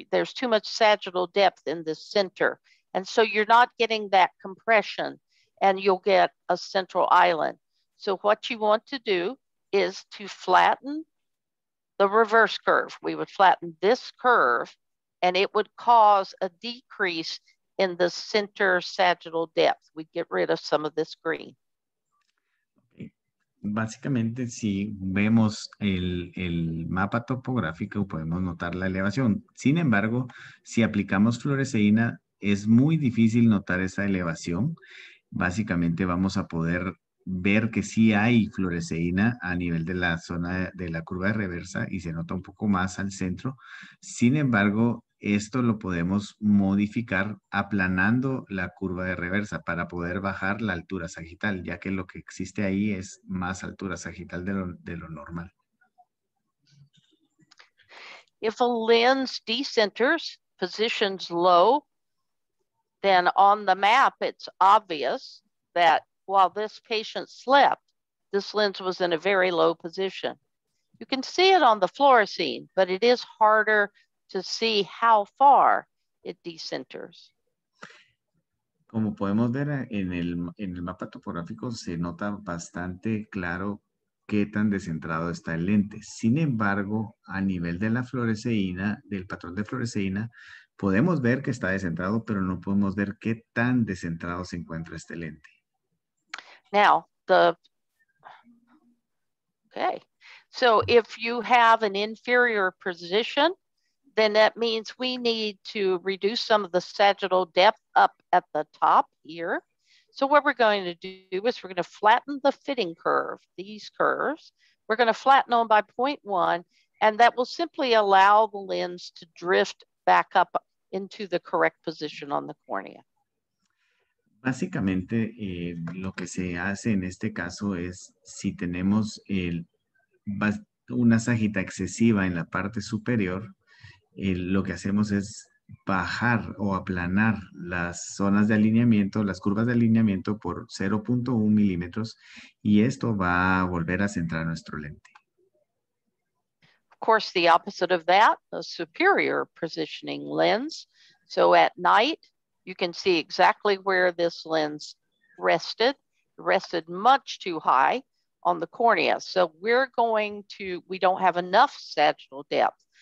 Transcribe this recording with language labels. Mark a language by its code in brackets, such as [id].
[en] There's too much sagittal depth in the center. And so you're not getting that compression and you'll get a central island. So what you want to do is to flatten the reverse curve. We would flatten this curve and it would cause a decrease in the center sagittal depth. We'd get rid of some of this green. [es] Básicamente, si vemos el mapa topográfico, podemos notar la elevación. Sin embargo, si aplicamos fluoresceína, es muy difícil notar esa elevación. Básicamente, vamos a poder ver que sí hay fluoresceína a nivel de la zona de la curva de reversa y se nota un poco más al centro. Sin embargo, esto lo podemos modificar aplanando la curva de reversa para poder bajar la altura sagital, ya que lo que existe ahí es más altura sagital de lo normal. [en] If a lens decenters, positions low, then on the map it's obvious that while this patient slept, this lens was in a very low position. You can see it on the fluorescein, but it is harder to see how far it decenters. [es] Como podemos ver en el mapa topográfico, se nota bastante claro qué tan descentrado está el lente. Sin embargo, a nivel de la fluoresceína, del patrón de fluoresceína, podemos ver que está descentrado, pero no podemos ver qué tan descentrado se encuentra este lente. [en] Now, so if you have an inferior position, then that means we need to reduce some of the sagittal depth up at the top here. So what we're going to do is we're going to flatten the fitting curve, these curves. We're going to flatten them by 0.1, and that will simply allow the lens to drift back up into the correct position on the cornea. [es] Básicamente, lo que se hace en este caso es, si tenemos una sagita excesiva en la parte superior, lo que hacemos es bajar o aplanar las zonas de alineamiento, las curvas de alineamiento por 0.1 milímetros y esto va a volver a centrar nuestro lente. [en] Of course, the opposite of that, a superior positioning lens. So at night, you can see exactly where this lens rested. It rested much too high on the cornea. So we don't have enough sagittal depth.